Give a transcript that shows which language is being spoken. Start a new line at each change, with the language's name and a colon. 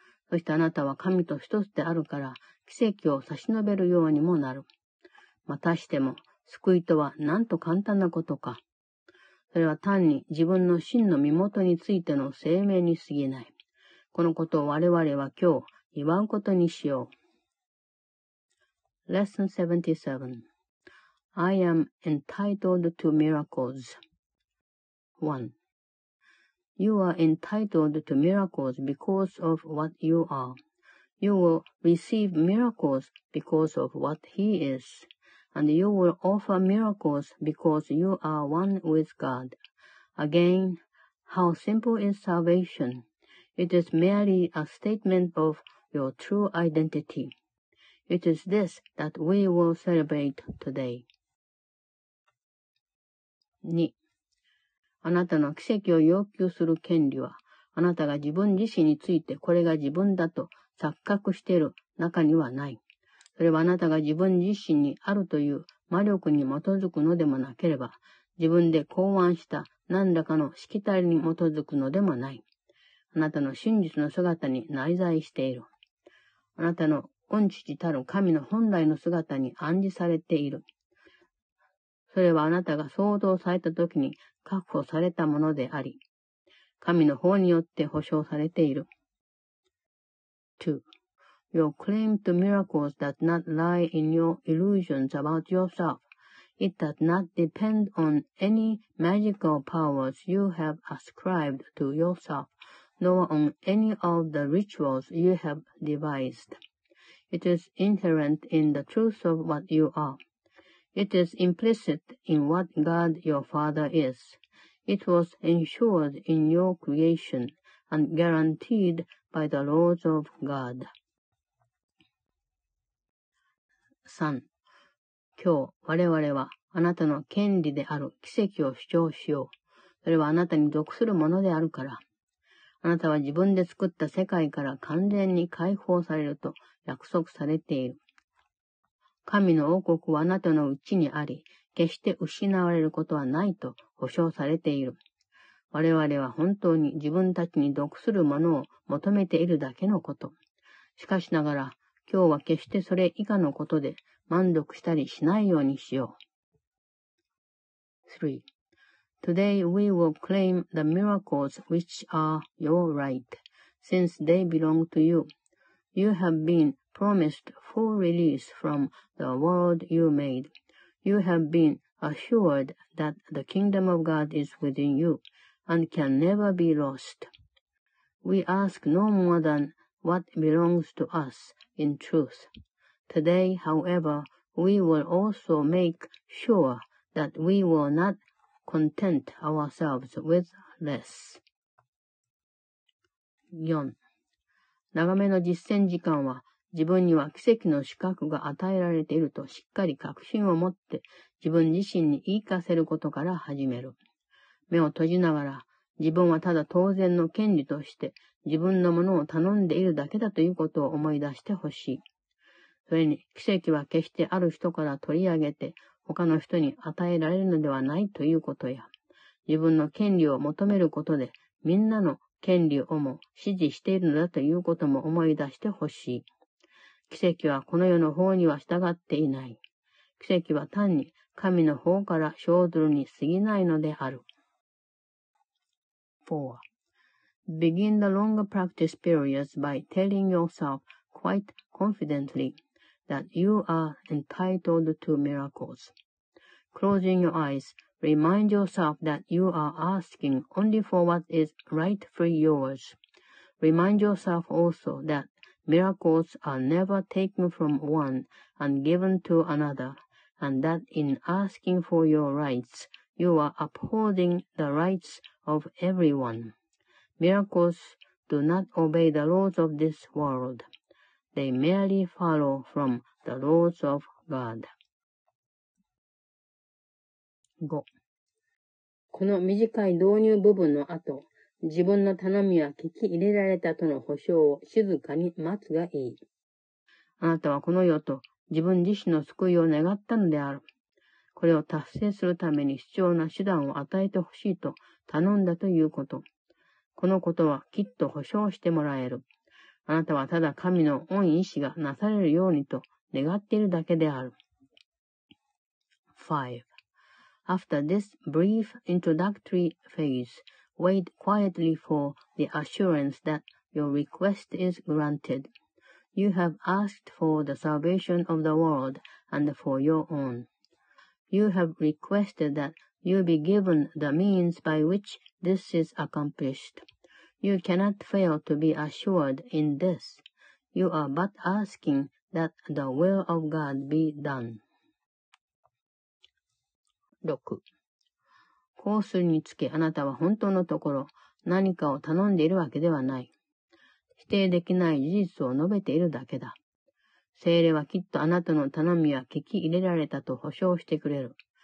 Japanese: そしてあなたは神と一つであるから奇跡を差し伸べるようにもなる。またしても救いとはなんと簡単なことか。それは単に自分の真の身元についての声明に過ぎない。このことを我々は今日祝うことにしよう。
English: Lesson 77. I am entitled to miracles. 1. You are entitled to miracles because of what you are. You will receive miracles because of what He is, and you will offer miracles because you are one with God. Again, how simple is salvation? It is merely a statement of your true identity. It is this that we will celebrate today.
Japanese: 2. あなたの奇跡を要求する権利は、あなたが自分自身についてこれが自分だと錯覚している中にはない。それはあなたが自分自身にあるという魔力に基づくのでもなければ、自分で考案した何らかのしきたりに基づくのでもない。あなたの真実の姿に内在している。あなたの御父たる神の本来の姿に暗示されている。それはあなたが創造されたときに確保されたものであり、神の法によって保証されている。
English: 2. Your claim to miracles does not lie in your illusions about yourself. It does not depend on any magical powers you have ascribed to yourself, nor on any of the rituals you have devised. It is inherent in the truth of what you are. It is implicit in what God your Father is. It was ensured in your creation and guaranteed by the laws of God.
Japanese: 3. 今日、我々はあなたの権利である奇跡を主張しよう。それはあなたに属するものであるから。あなたは自分で作った世界から完全に解放されると約束されている。神の王国はあなたのうちにあり、決して失われることはないと保証されている。我々は本当に自分たちに属するものを求めているだけのこと。しかしながら、今日は決してそれ以下のことで満足したりしないようにしよう。
English: 3. Today we will claim the miracles which are your right, since they belong to you. You have been promised full release from the world you made. You have been assured that the kingdom of God is within you and can never be lost. We ask no more than what belongs to us in truth. Today, however, we will also make sure that we will not content ourselves with less.
Japanese: 4. 長めの実践時間は自分には奇跡の資格が与えられているとしっかり確信を持って自分自身に言い聞かせることから始める。目を閉じながら、自分はただ当然の権利として自分のものを頼んでいるだけだということを思い出してほしい。それに、奇跡は決してある人から取り上げて、他の人に与えられるのではないということや、自分の権利を求めることで、みんなの権利をも支持しているのだということも思い出してほしい。奇跡はこの世の法には従っていない。奇跡は単に神の方から生ずるに過ぎないのである。
English: 4. Begin the long practice periods by telling yourself quite confidently that you are entitled to miracles. Closing your eyes, remind yourself that you are asking only for what is rightfully yours. Remind yourself also that miracles are never taken from one and given to another, and that in asking for your rights, you are upholding the rights of everyone. Miracles do not obey the laws of this world. They merely follow from the laws of God.
Japanese: 5. この短い導入部分の後、自分の頼みは聞き入れられたとの保証を静かに待つがいい。あなたはこの世と自分自身の救いを願ったのである。これを達成するために必要な手段を与えてほしいと頼んだということ。このことはきっと保証してもらえる。あなたはただ神の御意志がなされるようにと願っているだけである。
English: 5. After this brief introductory phase, wait quietly for the assurance that your request is granted. You have asked for the salvation of the world and for your own. You have requested that you be given the means by which this is accomplished. You cannot fail to be assured in this. You are but asking that the will of God be done.
Japanese: 6. こうするにつけ、あなたは本当のところ何かを頼んでいるわけではない。否定できない事実を述べているだけだ。聖霊はきっとあなたの頼みは聞き入れられたと保証してくれる。